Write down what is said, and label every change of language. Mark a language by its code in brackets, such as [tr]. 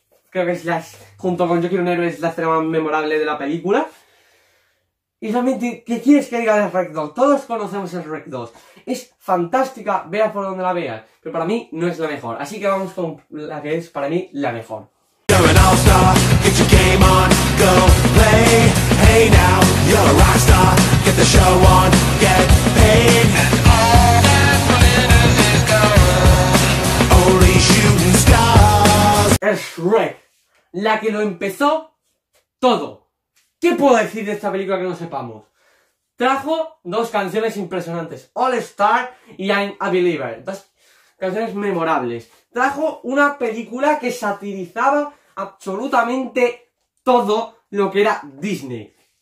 [es] Creo que es la, junto con Yo quiero un héroe, es la escena más memorable de la película. Y realmente, ¿qué quieres que diga de Shrek 2? Todos conocemos el Shrek 2. Es fantástica, vea por donde la veas. Pero para mí no es la mejor. Así que vamos con la que es para mí la mejor. [en] You're an all-star, get your game on, go play. Hey now, you're a rock star, get the show on, get paid. And all that glitters is gold, only shooting stars. [es] Es Shrek, la que lo empezó todo. ¿Qué puedo decir de esta película que no sepamos? Trajo dos canciones impresionantes, All Star y I'm a Believer, dos canciones memorables. Trajo una película que satirizaba absolutamente todo lo que era Disney.